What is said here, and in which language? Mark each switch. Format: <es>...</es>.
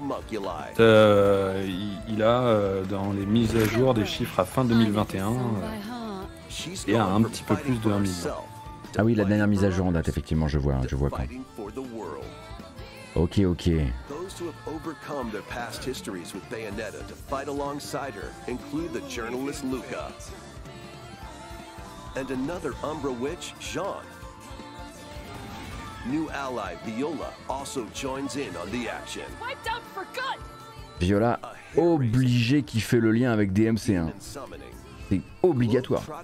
<fr>Il a dans les mises à jour des chiffres à fin 2021 et a un petit peu plus de 1 million. Ah oui, la dernière mise à jour en date, effectivement, je vois quand. Ok, ok.</fr> <en>Those who have overcome their past histories with Bayonetta to fight alongside her include the journalist Luca. And another Umbra witch, Jean. New ally Viola also joins in on the action. Wiped out for good.</en> <fr>Viola, obligé qui fait le lien avec DMC1. C'est obligatoire.</fr>